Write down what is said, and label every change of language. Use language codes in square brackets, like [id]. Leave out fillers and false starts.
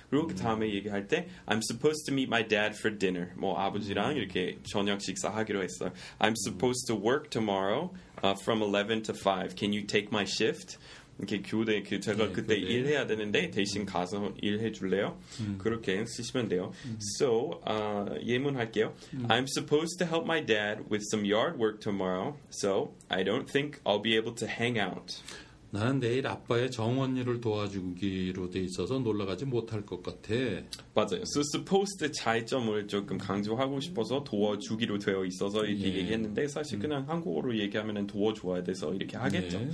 [ko] 그리고 그 다음에 얘기할 때 [en] I'm supposed to meet my dad for dinner. [ko] 뭐 아버지랑 이렇게 저녁 식사하기로 했어. [en] I'm supposed to work tomorrow from 11 to 5. Can you take my shift? [ko] 이렇게 교대 그 제가 네, 그때 교대. 일해야 되는데 대신 가서 일해 줄래요? 그렇게 쓰시면 돼요. So 예문할게요. [en] I'm supposed to help my dad with some yard work tomorrow. So I don't think I'll be able to hang out. [ko] 나는 내일 아빠의 정원 일을 도와주기로 돼 있어서 놀러 가지 못할 것 같아. 맞아요. So supposed 차이점을 조금 강조하고 싶어서 도와주기로 되어 있어서 이렇게 예. 얘기했는데 사실 그냥 한국어로 얘기하면 도와줘야 돼서 이렇게 하겠죠.